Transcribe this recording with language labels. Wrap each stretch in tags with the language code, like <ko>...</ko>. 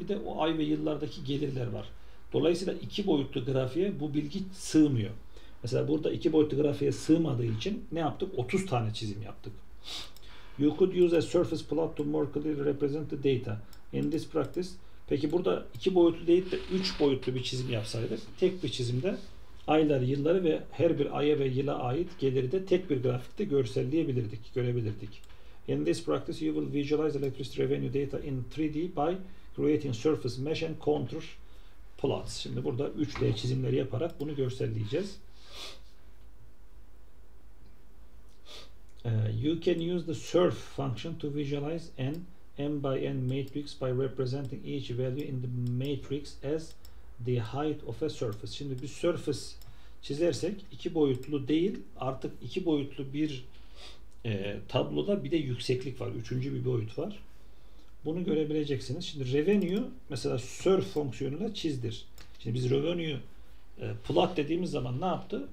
<tr>Bir de o ay ve yıllardaki gelirler var. Dolayısıyla 2 boyutlu grafiğe bu bilgi sığmıyor. Mesela burada 2 boyutlu grafiğe sığmadığı için ne yaptık? 30 tane çizim yaptık.</tr> <en>You could use a surface plot to more clearly represent the data. In this practice,</en> <tr>peki burada 2 boyutlu değil de 3 boyutlu bir çizim yapsaydık, tek bir çizimde aylar, yılları ve her bir aya ve yıla ait geliri de tek bir grafikte görselleyebilirdik, görebilirdik.</tr> <en>In this practice, you will visualize electricity revenue data in 3D by creating surface mesh and contour plots.</en> <tr>Şimdi burada 3D çizimleri yaparak bunu görselleyeceğiz.</tr> <en>You can use the surf function to visualize an m by n matrix by representing each value in the matrix as the height of a surface.</en> <tr>Şimdi bir surface çizersek iki boyutlu değil, artık iki boyutlu bir tabloda bir de yükseklik var. Üçüncü bir boyut var. Bunu görebileceksiniz. Şimdi revenue mesela serve fonksiyonuyla çizdir. Şimdi biz revenue plot dediğimiz zaman ne yaptı?</tr>